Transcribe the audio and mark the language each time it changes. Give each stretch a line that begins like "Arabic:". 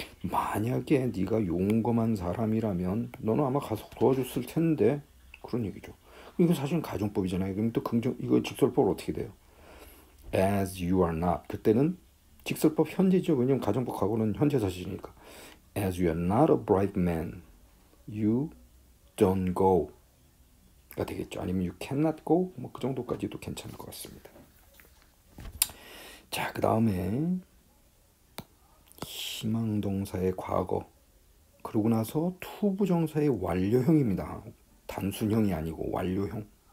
Korean: 만약에 네가 용감한 사람이라면 너는 아마 가서 도와줬을 텐데 그런 얘기죠. 이거 사실은 가정법이잖아요. 그럼 또 긍정 이거 직설법 어떻게 돼요?
English: As you are not
Korean: 그때는 직설법 현재죠. 왜냐면 가정법하고는 현재 사실이니까.
English: As you are not a brave man, you don't go.
Korean: 가 되겠죠. 아니면
English: you cannot go.
Korean: 뭐 그 정도까지도 괜찮을 것 같습니다. 자, 그 다음에 희망동사의 과거. 그러고 나서 to 부정사의 완료형입니다. 단순형이 아니고 완료형.